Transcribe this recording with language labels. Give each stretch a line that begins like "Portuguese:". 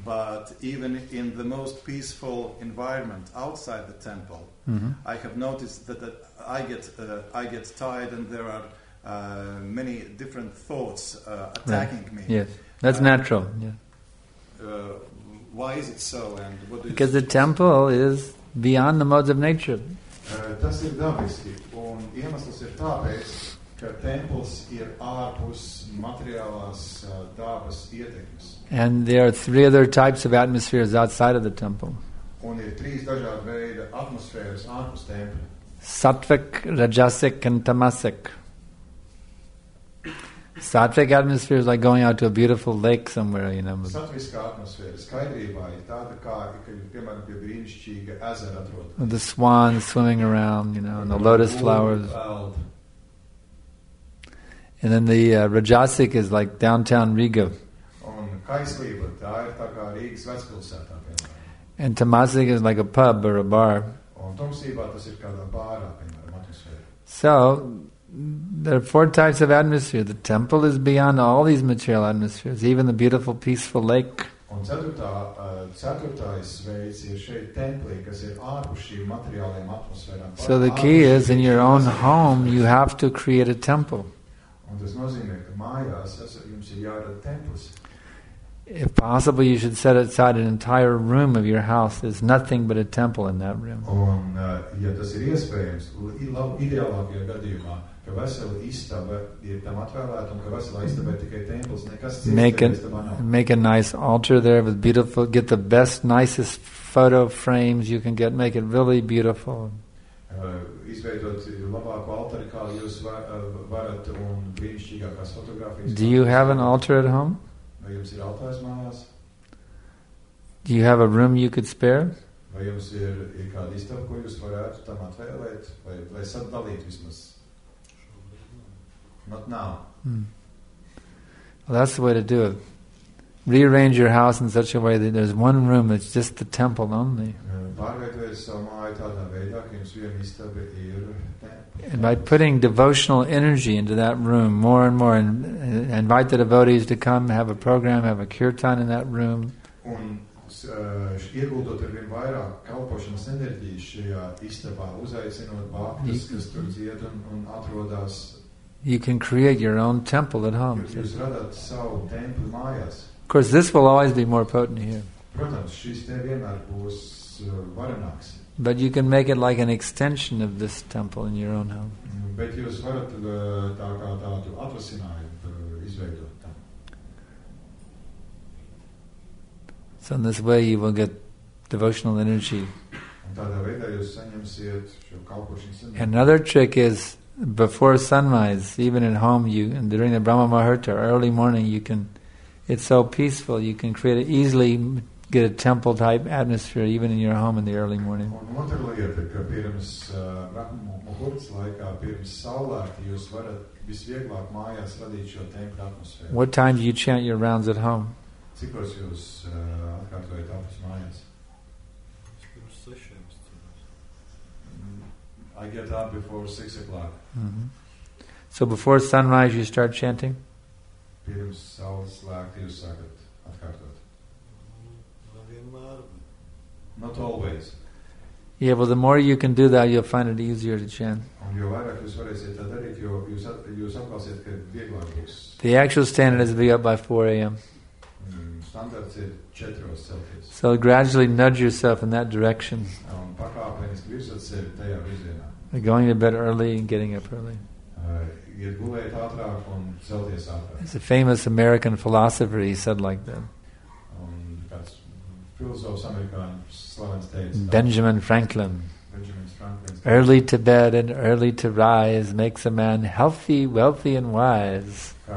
English: But even in the most peaceful environment outside the temple, mm-hmm. I have noticed that I get tired and there are many different thoughts attacking right. me. Yes, that's natural. Yeah. Why is it so? And what do because you the temple is beyond the modes of nature.
Latvian: Tas ir dabiski. Un iemesls ir tāpēc, ka temples ir ārpus materiālās dabas ietekmes.
English: And there are 3 other types of atmospheres outside of the temple.
Latvian: Un ir 3 dažādi veidi atmosfēras ārpus tempļa.
English: Sattvic, rajasic and tamasic. Sattvic atmosphere is like going out to a beautiful lake somewhere, you know.
Latvian: Sattviska atmosfēra, skaidrībā ir tāda kā, ka piemēram pie brīnišķīga ezera atrodas.
English: The swans swimming around, you know, and the lotus flowers. And then the rajasic is like downtown Riga.
Latvian: Un kaislība, tā ir tā kā Rīgas vecpilsētā.
English: And tamasic is like a pub or a bar.
Latvian: Un tumsībā tas ir kādā bārā, piemēram, atmosfēra.
English: So there are 4 types of atmosphere. The temple is beyond all these material atmospheres, even the beautiful, peaceful lake.
Latvian: Un ceturtais veids ir šeit templī, kas ir ārpus šīm materiālajām atmosfērām.
English: So the key is, in your own home, you have to create a temple.
Latvian: Un tas nozīmē, ka mājās jums ir jārada templis.
English: If possible, you should set aside an entire room of your house. There's nothing but a temple in that room.
Latvian: Un, ja tas ir iespējams, ideālākajā gadījumā, ka vesela istaba ir tam atvēlēta, un ka vesela istaba ir tikai templis, nekas cits istabā nav.
English: Make a nice altar there with beautiful, get the best, nicest photo frames you can get, make it really beautiful.
Latvian: Izveidot labāku altari, kā jūs varat, un brīnišķīgākās fotogrāfijas.
English: Do you have an altar at home?
Latvian: Vai jums ir altārs mājās?
English: Do you have a room you could spare?
Latvian: Vai jums ir kāda istaba, ko jūs varētu tam atvēlēt, vai sadalīt vismaz?
English: Not now. Hmm. Well, that's the way to do it. Rearrange your house in such a way that there's one room that's just the temple only. And by putting devotional energy into that room more and more, and invite the devotees to come, have a program, have a kirtan in that room.
Latvian: Ieguldot arvien vairāk kalpošanas enerģijas šajā istabā, uzaicinot bhaktas, kas tur dzied un atrodas.
English: You can create your own temple at home.
Latvian: Jūs radāt savu templi mājās.
English: Of course, this will always be more potent here.
Latvian: Protams, šis te vienmēr būs varenāks.
English: But you can make it like an extension of this temple in your own home.
Latvian: Bet jūs varat tā kā tādu atvasinājumu izveidot tam.
English: So in this way you will get devotional energy.
Latvian: Un tādā veidā jūs saņemsiet šo kalpošanas enerģiju.
English: Another trick is, before sunrise, even at home, during the Brahma Muhurta, early morning, it's so peaceful, you can create easily get a temple type atmosphere even in your home in the early morning.
Latvian: Un otra lieta, ka pirms Brahma Muhurta laikā, pirms saulēkta, jūs varat visvieglāk mājās radīt šo templi atmosfēru.
English: What time do you chant your rounds at home?
Latvian: Cikos jūs atkārtojat apus mājās?
English: I get up before 6 o'clock. Mm-hmm. So before sunrise you start chanting?
Latvian: Pirms saules lēkt jūs sākat atkārtot.
English: Not always. Yeah, well, the more you can do that, you'll find it easier to chant.
Latvian: Un jo vairāk jūs varēsiet tā darīt, jūs apkalsiet, ka vieglāk būs.
English: The actual standard is to be up by 4 a.m.
Latvian: Standards ir 4 celtis.
English: So gradually nudge yourself in that direction.
Latvian: Pakāpeniski virzot sevi tajā virzienā.
English: Going to bed early and getting up early.
Latvian: Iet gulēt ātrāk un celties ātrāk.
English: It's a famous American philosopher, he said like that.
Latvian: Kāds filozofs amerikāņu slavens teica.
English: Benjamin Franklin. Benjamin Franklin Early to bed and early to rise makes a man healthy, wealthy and wise.